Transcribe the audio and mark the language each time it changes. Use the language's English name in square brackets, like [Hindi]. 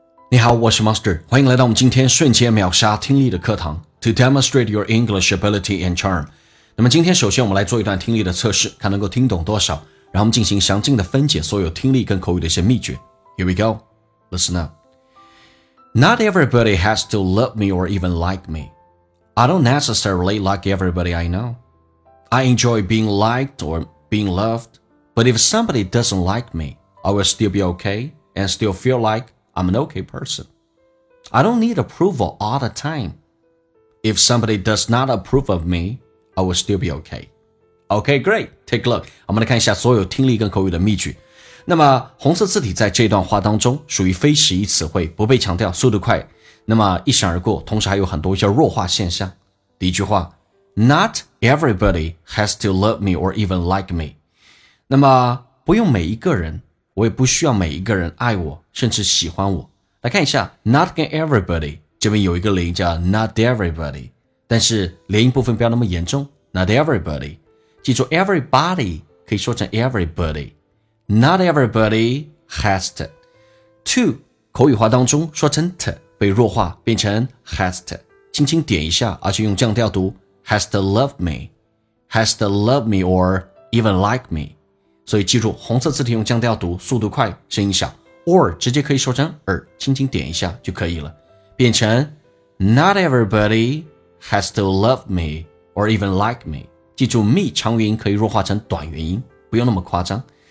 [Chinese] 你好，我是 Master， 欢迎来到我们今天瞬间秒杀听力的课堂 [English] To demonstrate your English ability and charm。 [Chinese] 那么今天首先我们来做一段听力的测试，看能够听懂多少，然后我们进行详尽的分解所有听力跟口语的一些秘诀。 [English] Here we go, listen up. Not everybody has to love me or even like me. I don't necessarily like everybody I know. I enjoy being liked or being loved. But if somebody doesn't like me, I will still be okay and still feel likeI'm an okay person. I don't need approval all the time. If somebody does not approve of me, I will still be okay. Okay, great. Take a look. [Chinese] 我们来看一下所有听力跟口语的秘诀。那么红色字体在这段话当中属于非实义词汇，不被强调，速度快，那么一闪而过，同时还有很多一些弱化现象。第一句话， [English] Not everybody has to love me or even like me. [Chinese] 那么不用每一个人，我也不需要每一个人爱我甚至喜欢我。来看一下 [English] Not everybody， [Chinese] 这边有一个连音叫 Not everybody， 但是连音部分不要那么严重， Not everybody， 记住 everybody 可以说成 everybody。 [English] Not everybody has to， to [Chinese] 口语化当中说成 t 被弱化变成 [English] has to， [Chinese] 轻轻点一下，而且用降调读， [English] has to love me， has to love me or even like me。 [Chinese] 所以记住，红色字体用降调读，速度快，声音小， or 直接可以说成 or， 轻轻点一下就可以了，变成 [English] Not everybody has to love me or even like me。 [Chinese] 记住 me 长元音可以弱化成短元音，不用那么夸张。